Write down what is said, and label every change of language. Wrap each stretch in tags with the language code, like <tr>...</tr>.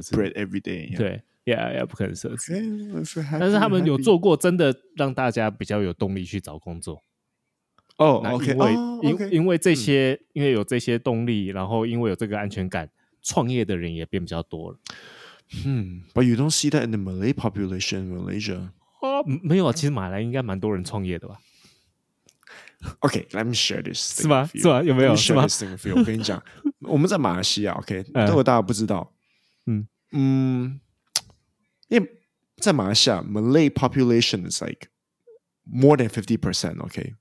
<en>Eat bread every day，</en> <zh>对。Yeah， 不可能奢侈。</zh> <en>Okay, so、happy,</en> <zh>但是他们有做过，真的让大家比较有动力去找工作。</zh> <en>哦、oh, ，OK，</en> <zh>因为、</zh> <en>oh, okay.</en> <zh>因为这些、因为有这些动力，然后因为有这个安全感，创业的人也变比较多了。</zh> <en>But you don't see that in the Malay population in Malaysia.</en> <zh>哦，没有，其实马来应该蛮多人创业的吧。</zh> <en>OK， let me share this thing</en> <zh>是吗？</zh> <en>With you.</en> <zh>是吗？有没有？</zh> <en>Let me share this thing with you.</en> <zh>我跟你讲，我们在马来西亚 ，OK， 如果大家不知道，因为在马来西亚</zh> <en>Malay population is like more than 50%， OK，</en>